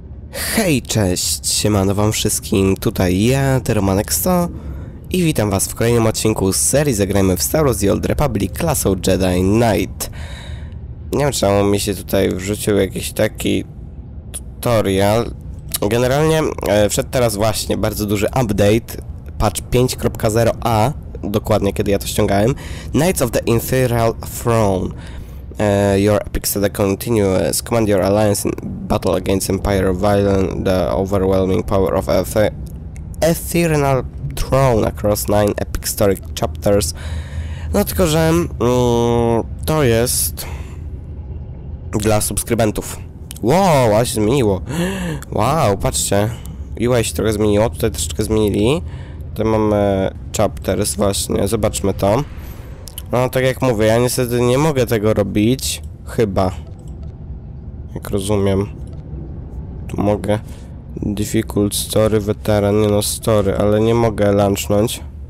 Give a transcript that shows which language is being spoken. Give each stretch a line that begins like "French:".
Polish: Hej, cześć, siemano wam wszystkim, tutaj ja, The Romanek 100 i witam was w kolejnym odcinku z serii Zagrajmy w Star Wars The Old Republic Class of Jedi Knight. Nie wiem, czemu mi się tutaj wrzucił jakiś taki tutorial. Generalnie wszedł teraz właśnie bardzo duży update, patch 5.0a, dokładnie kiedy ja to ściągałem.
English: Knights of the Imperial Throne. Your epic saga continues. Command your alliance in battle against Empire Violent, the overwhelming power of Ethereal Throne across 9 epic story chapters.
Polish: No tylko, że to jest dla subskrybentów. Wow, aż zmieniło. Wow, patrzcie. UI się trochę zmieniło, tutaj troszeczkę zmienili. Tutaj mamy chapters właśnie, zobaczmy to. No, tak jak mówię, ja niestety nie mogę tego robić, chyba, jak rozumiem, tu mogę, difficult story, veteran, nie no story, ale nie mogę launchnąć.